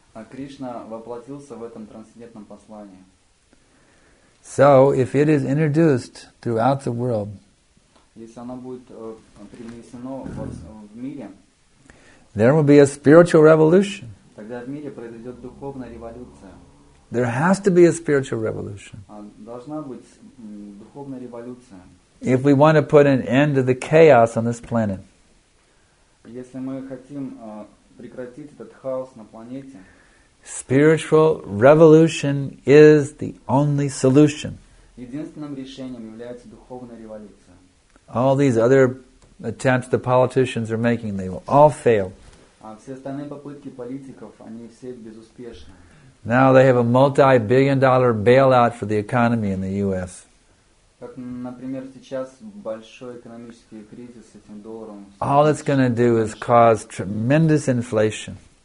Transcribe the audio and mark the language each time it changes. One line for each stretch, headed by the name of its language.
Russian: А Кришна воплотился в этом трансцендентном послании.
English: So, if it is introduced throughout the world,
Russian: если оно будет принесено в мире,
English: there will be a spiritual revolution.
Russian: Тогда в мире произойдет духовная революция.
English: There has to be a spiritual revolution.
Russian: Должна быть духовная революция.
English: If we want to put an end to the chaos on this planet.
Russian: Если мы хотим прекратить этот хаос на планете.
English: Spiritual revolution is the only solution.
Russian: Единственным решением является духовная революция.
English: All these other attempts the politicians are making, they will all fail.
Russian: Все остальные попытки политиков, они все безуспешны.
English: Now they have a multi-billion-dollar bailout for the economy in the U.S.
Russian: Как, например, сейчас большой экономический кризис с этим долларом.
English: All it's going to do is cause tremendous inflation.